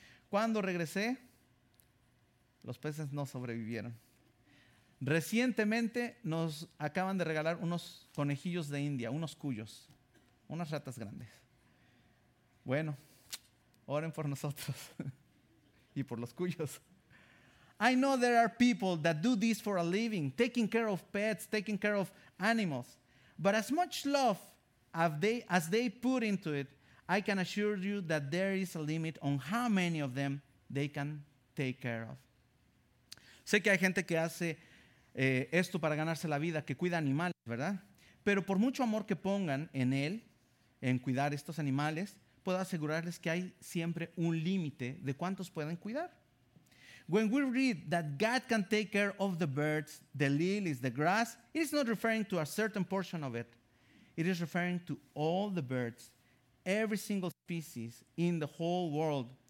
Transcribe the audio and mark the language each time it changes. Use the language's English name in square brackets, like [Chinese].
[Spanish] Cuando regresé, los peces no sobrevivieron. Recientemente nos acaban de regalar unos conejillos de India, unos cuyos, unas ratas grandes. Bueno, oren por nosotros y por los cuyos. [English] I know there are people that do this for a living, taking care of pets, taking care of animals. But as much love as they put into it, I can assure you that there is a limit on how many of them they can take care of. [Spanish] Sé que hay gente que hace esto para ganarse la vida, que cuida animales, ¿verdad? Pero por mucho amor que pongan en él, en cuidar estos animales, puedo asegurarles que hay siempre un límite de cuántos pueden cuidar. [English] When we read that God can take care of the birds, the lilies, the grass, it is not referring to a certain portion of it. It is referring to all the birds, every single species in the whole world.